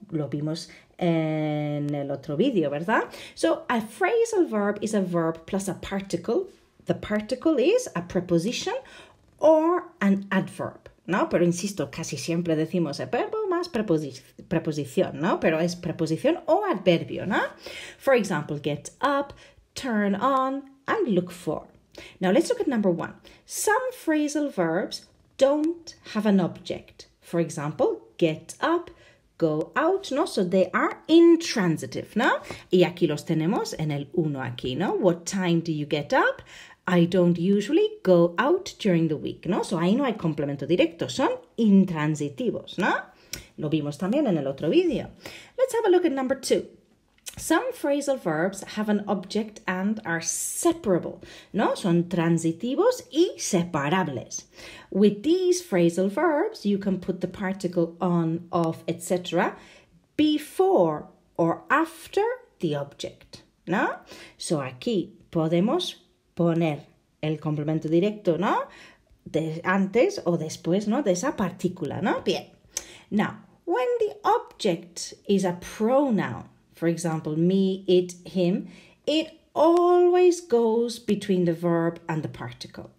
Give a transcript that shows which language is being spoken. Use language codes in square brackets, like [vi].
[es] Lo vimos en el otro vídeo, ¿verdad? [en] So, a phrasal verb is a verb plus a particle. The particle is a preposition or an adverb, ¿no? [es] Pero insisto, casi siempre decimos el verbo más preposición, ¿no? Pero es preposición o adverbio, ¿no? [en] For example, get up, turn on, and look for. Now, let's look at number one. Some phrasal verbs don't have an object. For example, get up, go out, ¿no? So they are intransitive, ¿no? [es] Y aquí los tenemos en el uno aquí, ¿no? [en] What time do you get up? I don't usually go out during the week, ¿no? [es] So ahí no hay complemento directo, son intransitivos, ¿no? Lo vimos también en el otro vídeo. [en] Let's have a look at number two. Some phrasal verbs have an object and are separable, ¿no? [es] Son transitivos y separables. [en] With these phrasal verbs, you can put the particle on, off, etc. before or after the object, ¿no? [es] So aquí podemos poner el complemento directo, ¿no? De antes o después, ¿no? De esa partícula, ¿no? Bien. [en] Now, when the object is a pronoun, for example, me, it, him, it always goes between the verb and the particle.